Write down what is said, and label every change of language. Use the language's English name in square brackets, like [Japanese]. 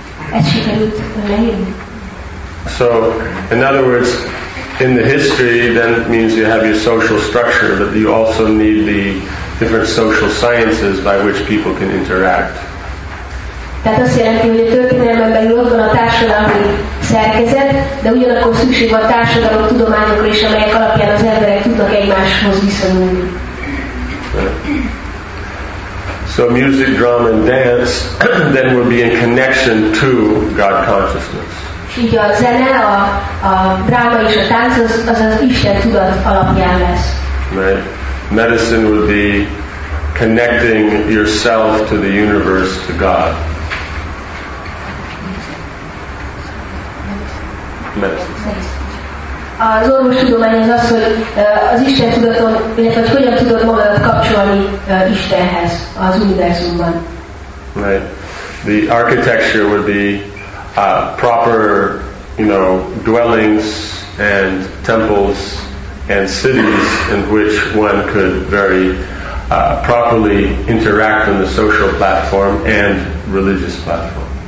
[English] So, in other words, in the history, then means you have your social structure, but you also need the different social sciences by which people can interact. [Hungarian] Tehát azt jelenti, hogy a történelemben belül ott van a társadalmi szerkezet, de ugyanakkor szükség van társadalom tudományokra is, amelyek alapján az emberek tudnak egymáshoz viszonyulni. [English] So music, drama, and dance then will be in connection to God consciousness. [Hungarian] Így a zene, a dráma és a tánc az az Isten tudat alapján lesz. [English] Right. Medicine will be connecting yourself to the universe, to God. [Hungarian] Az orvostudomány az az, hogy az Isten tudaton, illetve hogy hogyan tudod magadat kapcsolni Istenhez az univerzumban. [English] Right. The architecture would be proper, you know, dwellings and temples and cities in which one could very properly interact on the social platform and religious platform.